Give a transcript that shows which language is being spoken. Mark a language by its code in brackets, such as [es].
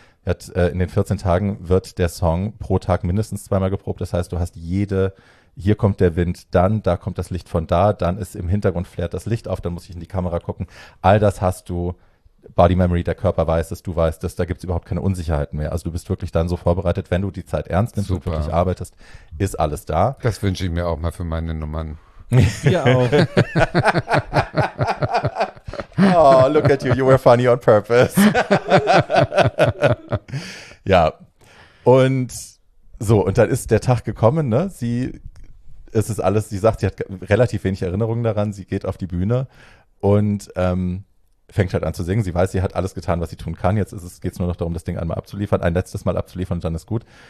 [de] In den 14 Tagen wird der Song pro Tag mindestens 2-mal geprobt, das heißt, du hast hier kommt der Wind, dann, da kommt das Licht von da, dann ist im Hintergrund flärt das Licht auf, dann muss ich in die Kamera gucken, all das hast du. Body Memory, der Körper weiß es, du weißt es, da gibt es überhaupt keine Unsicherheiten mehr. Also du bist wirklich dann so vorbereitet, wenn du die Zeit ernst nimmst und wirklich arbeitest, ist alles da. Das wünsche ich mir auch mal für meine Nummern. Ja auch. [en] Oh, look at you, you were funny on purpose. [de] Ja, und so, und dann ist der Tag gekommen, ne? Sie sagt, sie hat relativ wenig Erinnerungen daran, sie geht auf die Bühne und fängt halt an zu singen. Sie weiß, sie hat alles getan, was sie tun kann. Jetzt geht es nur noch darum, das Ding einmal abzuliefern, ein letztes Mal abzuliefern und dann ist gut.